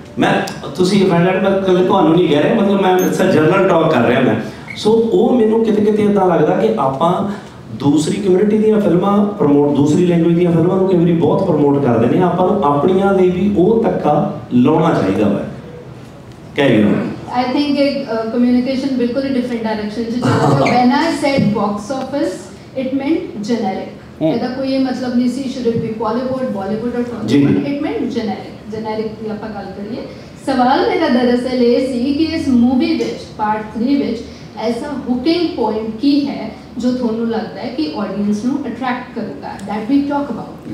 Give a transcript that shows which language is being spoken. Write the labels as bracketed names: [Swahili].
[Punjabi] ਮੈਂ ਤੁਸੀਂ ਤੁਹਾਨੂੰ ਨਹੀਂ ਕਹਿ ਰਿਹਾ, ਮਤਲਬ ਮੈਂ ਜਨਰਲ ਟੋਕ ਕਰ ਰਿਹਾ ਮੈਂ। ਸੋ ਉਹ ਮੈਨੂੰ ਕਿਤੇ ਕਿਤੇ ਇੱਦਾਂ ਲੱਗਦਾ ਕਿ ਆਪਾਂ ਦੂਸਰੀ ਕਮਿਊਨਿਟੀ ਦੀਆਂ ਫਿਲਮਾਂ ਪ੍ਰਮੋਟ, ਦੂਸਰੀ ਲੈਂਗੁਏਜ ਦੀਆਂ ਫਿਲਮਾਂ ਨੂੰ ਕਈ ਵਾਰੀ ਬਹੁਤ ਪ੍ਰਮੋਟ ਕਰਦੇ ਨੇ, ਆਪਾਂ ਨੂੰ ਆਪਣੀਆਂ ਲਈ ਵੀ ਉਹ ਧੱਕਾ ਲਾਉਣਾ ਚਾਹੀਦਾ ਵਾ। [English] I think communication, bilkul different direction. When I said box office, it meant generic [Punjabi] ਇਹਦਾ ਕੋਈ ਇਹ ਮਤਲਬ ਨਹੀਂ ਸੀ [English] should it be [Punjabi] Bollywood Bollywood ਔਰ Tollywood it minute generic generic ਦੀ ਆਪਾਂ ਗੱਲ ਕਰੀਏ ਸਵਾਲ ਮੇਰਾ ਦਰਅਸਲ ਇਹ ਸੀ ਕਿ ਇਸ ਮੂਵੀ ਵਿੱਚ ਪਾਰਟ 3 ਵਿੱਚ ਐਸਾ ਹੁਕਿੰਗ ਪੁਆਇੰਟ ਕੀ ਹੈ ਜੋ ਤੁਹਾਨੂੰ ਲੱਗਦਾ ਹੈ ਕਿ ਆਡੀਅੰਸ ਨੂੰ ਅਟਰੈਕਟ ਕਰੂਗਾ [English] that we talk about